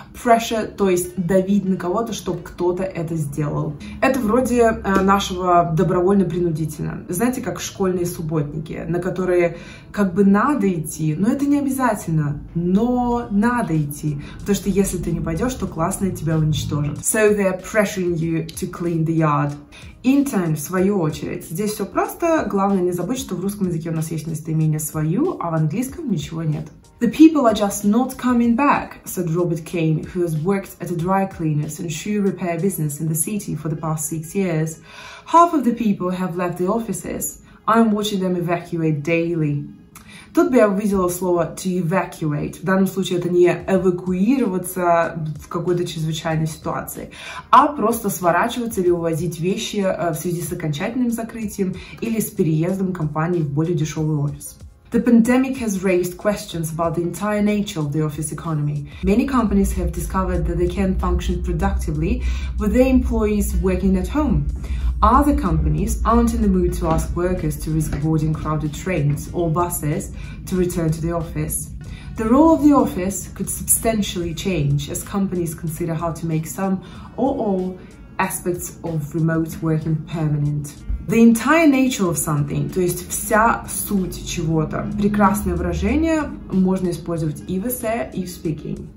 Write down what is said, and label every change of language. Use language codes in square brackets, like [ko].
[ru] Pressure – то есть давить на кого-то, чтобы кто-то это сделал. Это вроде нашего добровольно-принудительно. Знаете, как школьные субботники, на которые как бы надо идти, но это не обязательно, но надо идти, потому что если ты не пойдешь, то классные тебя уничтожат. [en] So they're pressuring you to clean the yard. [ru] Intern, в свою очередь. Здесь все просто, главное не забыть, что в русском языке у нас есть местоимение свою, а в английском ничего нет. [en] The people are just not coming back, said Robert Kane, who has worked at a dry cleaners and shoe repair business in the city for the past 6 years. Half of the people have left the offices. I'm watching them evacuate daily. [ru] Тут бы я увидела слово [en] to evacuate. [ru] В данном случае это не эвакуироваться в какой-то чрезвычайной ситуации, а просто сворачиваться или увозить вещи в связи с окончательным закрытием или с переездом компании в более дешевый офис. [en] The pandemic has raised questions about the entire nature of the office economy. Many companies have discovered that they can function productively with their employees working at home. Other companies aren't in the mood to ask workers to risk boarding crowded trains or buses to return to the office. The role of the office could substantially change as companies consider how to make some or all aspects of remote working permanent. The entire nature of something, [ru] то есть вся суть чего-то. Прекрасное выражение, можно использовать и в эссе, и в speaking.